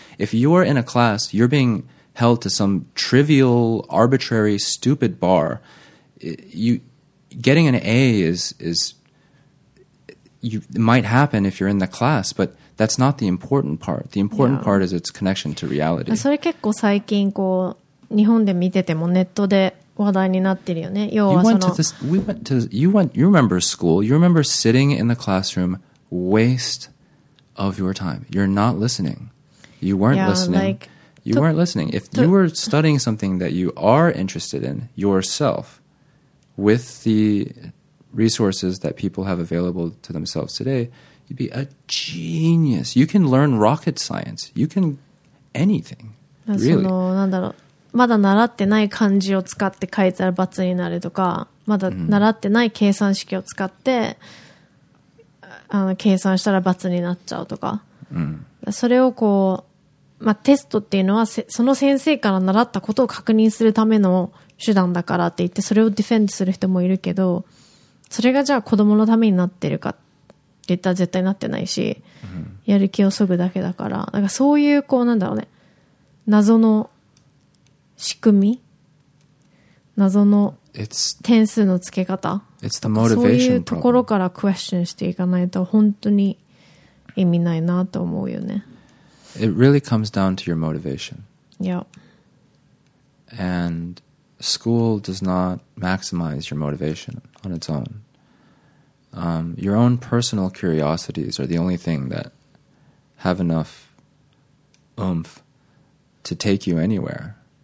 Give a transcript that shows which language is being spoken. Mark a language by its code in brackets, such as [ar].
[en] If you're in a class, you're being held to some trivial, arbitrary, stupid bar. Getting an A might happen if you're in the class, but that's not the important part. The important part is its connection to reality. [ja] それ結構最近こう日本で見ててもネットで話題になってるよね。要はその [en] You remember school. You remember sitting in the classroom, waste of your time. You're not listening. You weren't listening. Like, you weren't listening. If you were studying something that you are interested in yourself, with the resources that people have available to themselves today, you'd be a genius. You can learn rocket science. You can anything. Really. [ja] そのなんだろう、まだ習ってない漢字を使って書いたら罰になるとか、まだ習ってない計算式を使って、mm-hmm. 計算したら罰になっちゃうとか、 mm-hmm. それをこう、まあ、テストっていうのはその先生から習ったことを確認するための手段だからって言ってそれをディフェンスする人もいるけど、それがじゃあ子供のためになってるかって言ったら絶対なってないし、やる気をそぐだけだから、なんかそういうこうなんだろうね、謎の仕組み、謎の点数のつけ方、 [en] it's the motivation [ja] そういうところからクエスチョンしていかないと本当に意味ないなと思うよね。 [en] It really comes down to your motivation. Yeah. And school does not maximize your motivation on its own. Your own personal curiosities are the only thing that have enough oomph to take you anywhere.